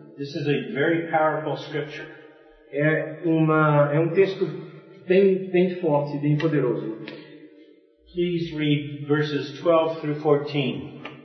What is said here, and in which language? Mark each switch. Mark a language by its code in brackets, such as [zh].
[en] This is a very powerful scripture. [pt] É um texto bem forte, bem poderoso. [en] Please read verses 12 through 14.